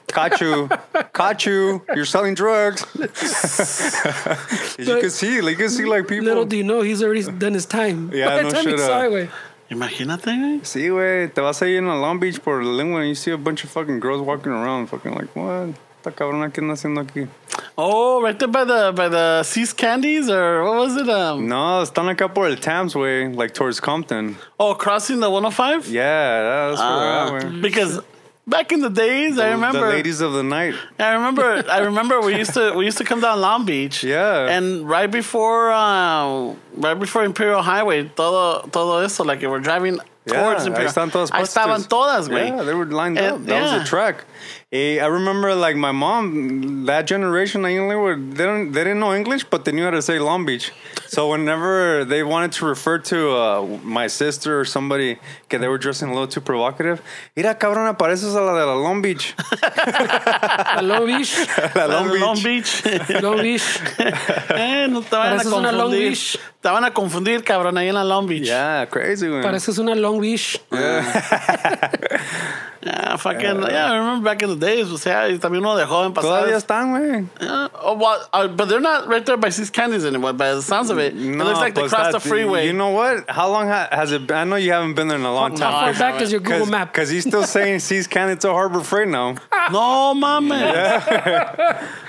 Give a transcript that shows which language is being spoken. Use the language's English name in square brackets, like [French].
[English] Caught you. Caught you. You're selling drugs. you can see, like, people. Little do you know, he's already done his time. Yeah, no shit. [Spanish] Imagínate. Sí, güey. Te vas a ir a Long Beach por el lingua [English] and you see a bunch of fucking girls walking around fucking like, what? [Spanish] Esta cabrona, ¿qué anda haciendo aquí? [English] Oh, right there by the Seas Candies, or what was it? [Spanish] No, están acá por el Tams way, [English] like towards Compton. Oh, crossing the 105? Yeah, that's where I went. Because back in the days, I remember the ladies of the night. I remember we used to come down Long Beach. Yeah. And right before Imperial Highway, [Spanish] todo eso, [English] like we're driving towards Imperial. [Spanish] Ahí están todas. Estaban todas, güey. [English] Yeah, they were lined up. That was a track. I remember, like, my mom, that generation, they didn't know English, but they knew how to say Long Beach. So whenever they wanted to refer to my sister or somebody, que they were dressing a little too provocative, [Spanish] mira, cabrona, pareces a la de la Long Beach. La Long Beach. La Long Beach. Long Beach. Long Beach. No te van a confundir. Una Long Beach. Te van a confundir, cabrón, ahí en la Long Beach. [English] Yeah, crazy, man. [Spanish] Pareces una Long Beach. [English] Yeah. Yeah, I remember back in the days. [Spanish] O sea, y también uno de joven pasado. Todavía están, güey. [English] Yeah. Oh, well, but they're not right there by Seas Candies anymore, by the sounds of it. No, it looks like they crossed the freeway. You know what? How long has it been? I know you haven't been there in a long time. How far back is your Google map? Because he's still saying Seas Candies to Harbor Freight now. [Spanish] No, mami.